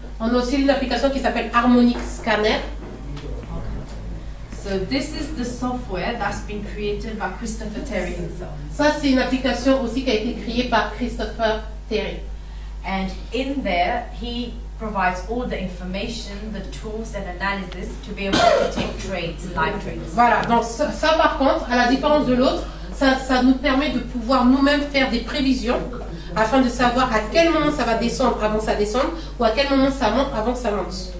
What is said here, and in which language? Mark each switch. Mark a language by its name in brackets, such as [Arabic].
[French] On a aussi une application qui s'appelle Harmonic Scanner. [English] Okay. So this is the software that's been created by Christopher Terry himself. [French] Ça c'est une application aussi qui a été créée par Christopher Terry. [English] And in there he provides all the information, the tools and analysis to be able to take trades, live trades. [French] Voilà, donc ça par contre, à la différence de l'autre, ça nous permet de pouvoir nous-mêmes faire des prévisions afin de savoir à quel moment ça va descendre avant ça descende ou à quel moment ça monte avant que ça monte.